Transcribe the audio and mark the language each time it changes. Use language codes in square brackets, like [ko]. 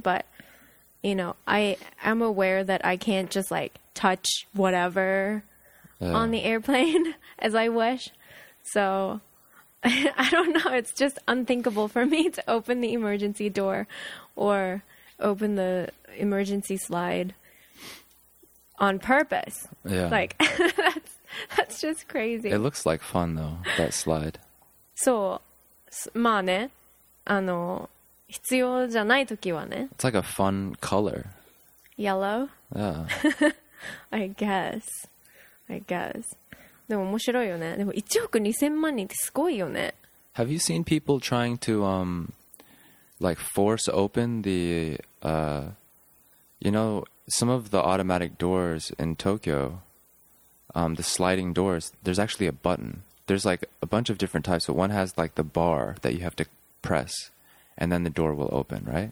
[en] But you know, I am aware that I can't just like touch whatever on the airplane as I wish. So. I don't know. It's just unthinkable for me to open the emergency door or open the emergency slide on purpose. Yeah. Like, that's just crazy. It looks like fun, though, that slide. [ja] So, まあね、あの、必要じゃない時はね。 [en] It's like a fun color. Yellow? Yeah. I guess. [ja] でも面白いよね。でも1億2000万人ってすごいよね。 [en] Have you seen people trying to, like, force open the, you know, some of the automatic doors in Tokyo, the sliding doors, there's actually a button. There's, like, a bunch of different types, but one has, like, the bar that you have to press, and then the door will open, right?